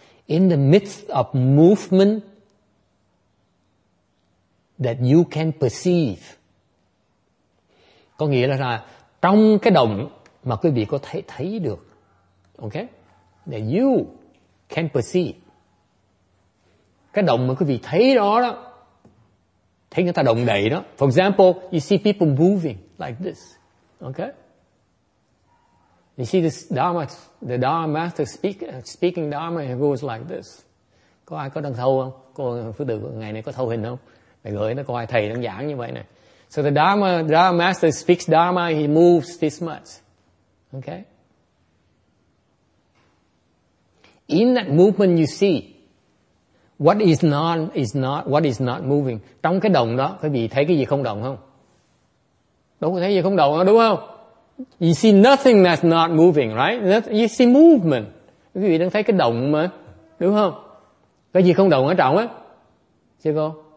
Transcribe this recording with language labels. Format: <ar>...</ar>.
<en>In the midst of movement that you can perceive,</en> <vi>có nghĩa là trong cái động mà quý vị có thể thấy được. Ok?</vi> <en>That you can perceive.</en> <vi>Cái động mà quý vị thấy đó, thấy người ta động đậy đó.</vi> <en>For example, you see people moving like this. Ok? You see this Dharma, the Dharma master speaking Dharma, he goes like this.</en> <vi>Có ai có đang thâu không? Cô Phước Tử ngày này có thâu hình không? Mày gửi nó coi, thầy đang giảng như vậy nè.</vi> <en>So the Dharma master speaks Dharma, he moves this much. Okay. In that movement you see what is non is not what is not moving.</en> <vi>Trong cái động đó quý vị thấy cái gì không động không? Đâu có thấy gì không động đó, đúng không?</vi> <en>You see nothing that's not moving, right? You see movement.</en> <vi>Quý vị đang thấy cái động mà, đúng không? Cái gì không động ở trong á? Chưa cô?</vi>